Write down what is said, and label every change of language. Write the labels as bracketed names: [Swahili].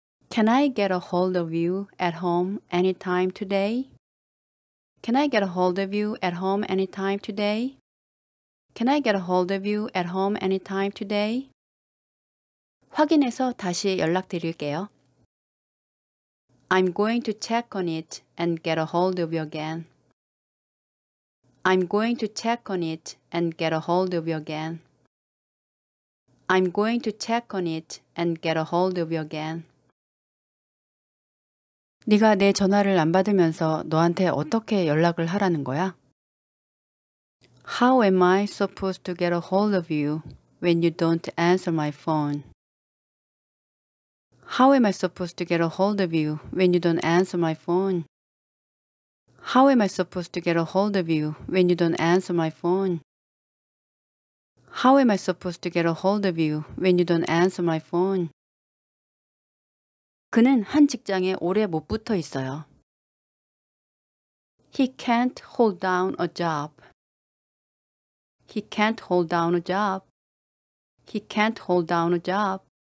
[English] Can I get a hold of you at home anytime today? Can I get a hold of you at home anytime today? Can I get a hold of you at home anytime today? [Korean] 확인해서 다시 연락드릴게요. [English] I'm going to check on it and get a hold of you again. I'm going to check on it and get a hold of you again. I'm going to check on it and get a hold of you again. [Korean] 네가 내 전화를 안 받으면서 너한테 어떻게 연락을 하라는 거야? [English] How am I supposed to get a hold of you when you don't answer my phone? How am I supposed to get a hold of you when you don't answer my phone? How am I supposed to get a hold of you when you don't answer my phone? How am I supposed to get a hold of you when you don't answer my phone? [Korean] 그는 한 직장에 오래 못 붙어 있어요. [English] He can't hold down a job. He can't hold down a job. He can't hold down a job.